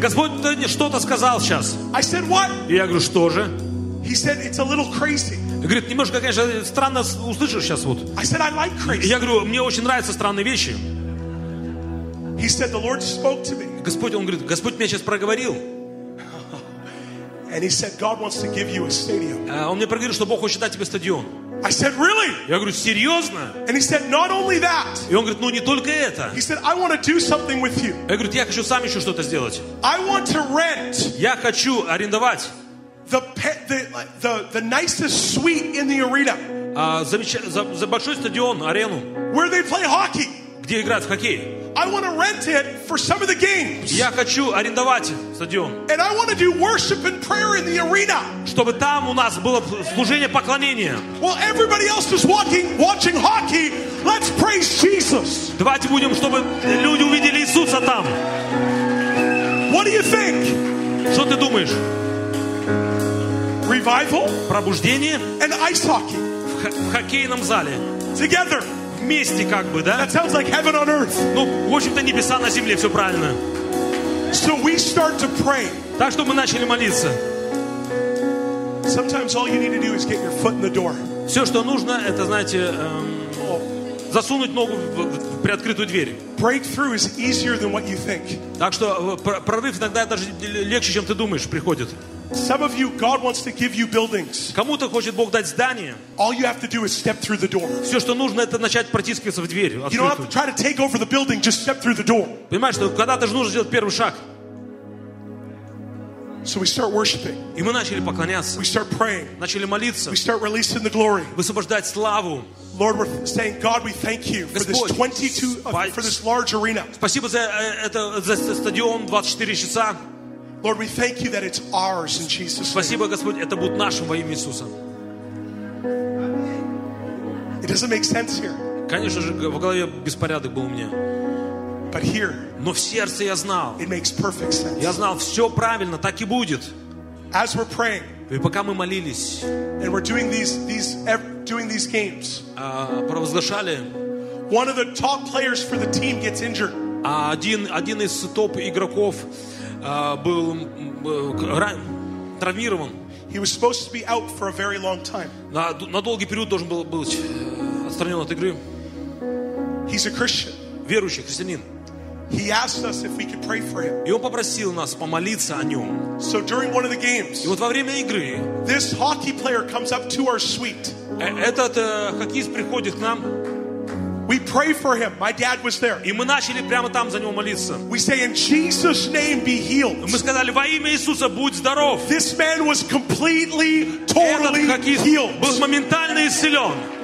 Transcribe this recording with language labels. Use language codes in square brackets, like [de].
[ru] Господь что-то сказал сейчас. [en] I said, what? [ru] И я говорю, что же? [en] He said, it's a little crazy. [ru] Говорит, немножко, конечно, странно услышишь сейчас вот. [en] I said, I like crazy. [ru] Я говорю, мне очень нравятся странные вещи. [en] He said, the Lord spoke to me. [ru] Господь, он говорит, Господь мне сейчас проговорил. [en] And he said, God wants to give you a stadium. [ru] Он мне проговорил, что Бог хочет дать тебе стадион. [en] I said, really? [ru] Я говорю, серьезно? [en] And he said, not only that. [ru] И он говорит, ну не только это. [en] He said, I want to do something with you. [ru] Я говорю, я хочу сам еще что-то сделать. [en] I want to rent. [ru] Я хочу арендовать. [en] The nicest suite in the arena. [ru] За большой стадион, арену. [en] Where they play hockey. [ru] Где играют в хоккей. [en] I want to rent it for some of the games. [ru] Я хочу арендовать стадион. [en] And I want to do worship and prayer in the arena. [ru] Чтобы там у нас было служение поклонения. [en] While everybody else is watching hockey, let's praise Jesus. [ru] Давайте будем, чтобы люди увидели Иисуса там. [en] What do you think? [ru] Что ты думаешь? [en] Revival? [ru] Пробуждение? [en] And ice hockey. [ru] В хоккейном зале. [en] Together. [ru] Вместе, как бы, да? [en] That sounds like heaven on earth. [ru] Ну, в общем-то, небеса на земле, все правильно. [en] So we start to pray. [ru] Так что мы начали молиться. [en] Sometimes all you need to do is get your foot in the door. [ru] Все, что нужно, это, знаете, засунуть ногу в приоткрытую дверь. [en] Breakthrough is easier than what you think. [ru] Так что прорыв иногда даже легче, чем ты думаешь, приходит. [en] Some of you, God wants to give you buildings. [ru] Кому-то хочет Бог дать здание. [en] All you have to do is step through the door. [ru] Все, что нужно, это начать протискиваться в дверь. [en] You don't have to try to take over the building, just step through the door. [ru] Понимаешь, что когда-то же нужно сделать первый шаг. [en] So we start worshiping. [ru] И мы начали поклоняться. [en] We start praying. [ru] Начали молиться. [en] We start releasing the glory. [ru] Высвобождать славу. [en] Lord, we're saying, God, we thank you for this 22 for this large arena. [ru] Спасибо за это за стадион 24 часа. [en] Lord, we thank you that it's ours in Jesus' name. [ru] Спасибо, Господь, это будет нашим во имя Иисуса. [en] It doesn't make sense here. [ru] Конечно же, в голове беспорядок был у меня. [en] But here. [ru] Но в сердце я знал. [en] It makes perfect sense. [ru] Я знал, все правильно, так и будет. [en] As we're praying. [ru] И пока мы молились. [en] And we're doing these games. [ru] Провозглашали. [en] One of the top players for the team gets injured. [ru] А один из топ игроков был травмирован. [en] He was supposed to be out for a very long time. [ru] На долгий период должен был быть отстранен от игры. [en] He's a Christian. [ru] Верующий христианин. [en] He asked us if we could pray for him. [ru] И он попросил нас помолиться о нем. [en] So during one of the games, [ru] и вот во время игры, [en] this hockey player comes up to our suite. [ru] Этот хоккеист приходит к нам. [en] We pray for him. My dad was there. [ru] И мы начали прямо там за него молиться. [en] We say in Jesus' name, be healed. [ru] Мы сказали во имя Иисуса будь здоров. [en] This man was completely, totally healed. [ru] Был моментально исцелен.